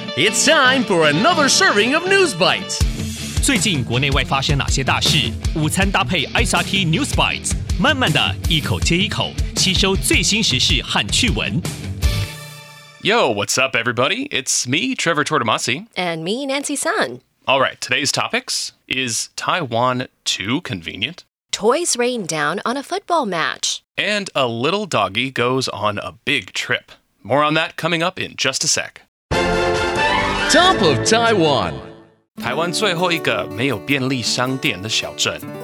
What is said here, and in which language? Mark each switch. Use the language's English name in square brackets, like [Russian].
[English] It's time for another serving of News Bites. [Chinese] 最近国内外发生哪些大事？午餐搭配 SRT News Bites， 慢慢的一口接一口，吸收最新时事和趣闻。 [English] Yo, what's up, everybody? It's me, Trevor Tortomasi. And me, Nancy Sun. All right, today's topics, is Taiwan too convenient? Toys rain down on a football match. And a little doggy goes on a big trip. More on that coming up in just a sec. Top of Taiwan. [Chinese] 台湾最后一个没有便利商店的小镇。